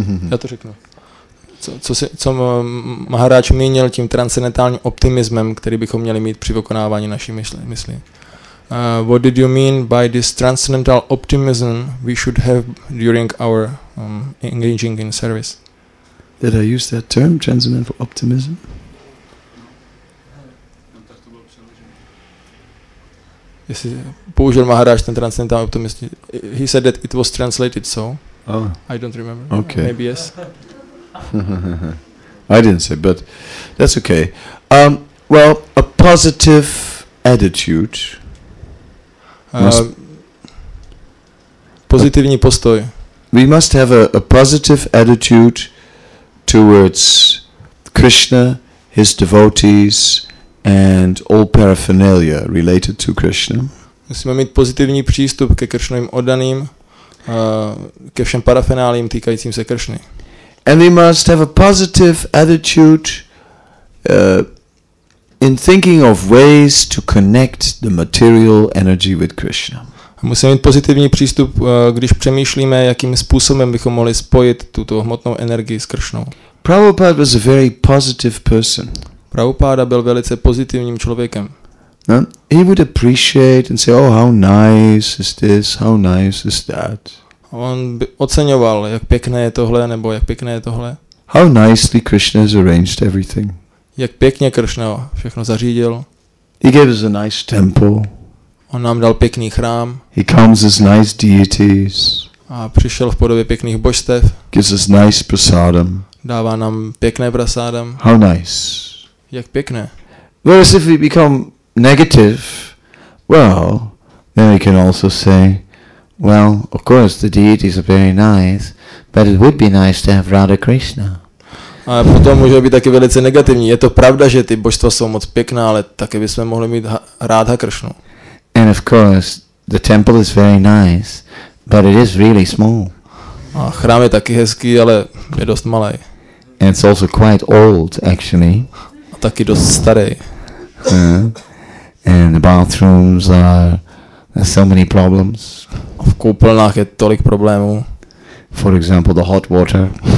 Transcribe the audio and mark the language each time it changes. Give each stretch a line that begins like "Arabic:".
Czech: Já to řeknu. Co Maharaj mínil tím transcendentálním optimismem, který bychom měli mít při vykonávání naší mysli?
English: What did you mean by this transcendental optimism we should have during our engaging in service? Did I use that term, transcendental optimism?
Czech: Jestli použil Maharaj ten transcendentální optimism,
English: he said that it was translated, so... Oh. I don't remember. Okay. Maybe yes. I didn't say, but that's okay. Well, a positive attitude.
Czech: Pozitivní postoj.
English: We must have a positive attitude towards Krishna, his devotees, and all paraphernalia related to Krishna.
Czech: Musíme mít pozitivní přístup ke Krishnovým oddaným. Ke všem parafenálím týkajícím se Kršny.
English: And we must have a positive attitude in thinking of ways to connect the material energy with Krishna.
Czech: Musíme mít pozitivní přístup, když přemýšlíme, jakým způsobem bychom mohli spojit tuto hmotnou energii s Kršnou.
English: Prabhupada was a very positive person.
Czech: Prabhupada byl velice pozitivním člověkem.
English: He would appreciate and say, oh, how nice is this, how nice is that.
Czech: On by oceňoval, jak pěkné je tohle, nebo jak pěkné je tohle.
English: How nicely Krishna has arranged everything.
Czech: Jak pěkně Krishna všechno zařídil.
English: He gave us a nice temple.
Czech: On nám dal pěkný chrám.
English: He comes as nice deities.
Czech: A přišel v podobě pěkných božstev.
English: Gives us nice prasadam.
Czech: Dává nám pěkné prasadam.
English: How nice.
Czech: Jak pěkné.
English: Whereas if we become negative, well, then we can also say, well, of course the deities are very nice, but it would be nice to have Radha Krishna.
Czech: A potom může být taky velice negativní. Je to pravda, že ty božstva jsou moc pěkná, ale taky bychom mohli mít Radha Krishnu.
English: And of course, the temple is very nice, but it is really small.
Czech: A chrám je taky hezký, ale je dost malý.
English: And it's also quite old, actually.
Czech: A taky dost starý.
English: And the bathrooms are so many problems.
Czech: V koupelnách je tolik problémů.
English: For example, the hot water.